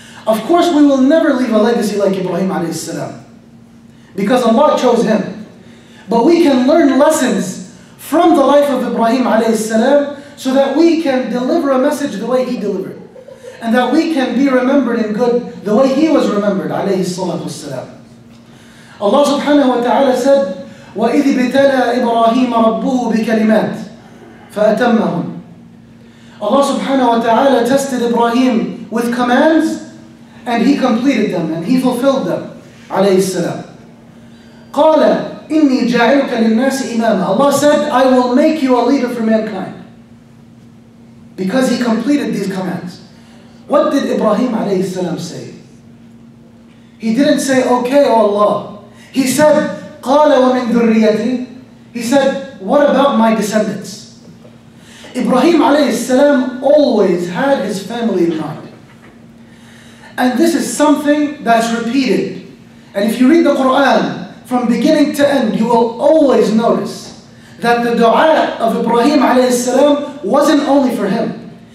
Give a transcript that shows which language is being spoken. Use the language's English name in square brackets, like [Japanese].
[English] Of course, we will never leave a legacy like Ibrahim alayhi salam, because Allah chose him. But we can learn lessons from the life of Ibrahim alayhi salam so that we can deliver a message the way he delivered, and that we can be remembered in good the way he was remembered alayhi salatu wasalam. [Arabic] Allah subhanahu wa ta'ala said, وَإِذِ بِتَلَى إِبْرَاهِيمَ رَبُّهُ بِكَلِمَاتٍ فَأَتَمَّهُمْ. [English] Allah subhanahu wa ta'ala tested Ibrahim with commands, and he completed them, and he fulfilled them, alayhi salam. [Arabic] قَالَ إِنِّي جَاعِلُكَ لِلنَّاسِ إِمَامًا. [English] Allah said, I will make you a leader for mankind. Because he completed these commands. What did Ibrahim alayhi salam say? He didn't say, okay, oh Allah. He said, [Arabic] قَالَ وَمِن ذُرِّيَّتِي. [English] He said, what about my descendants? Ibrahim alayhi salam always had his family in mind. And this is something that's repeated. And if you read the Quran from beginning to end, you will always notice that the dua of Ibrahim alayhi salam wasn't only for him.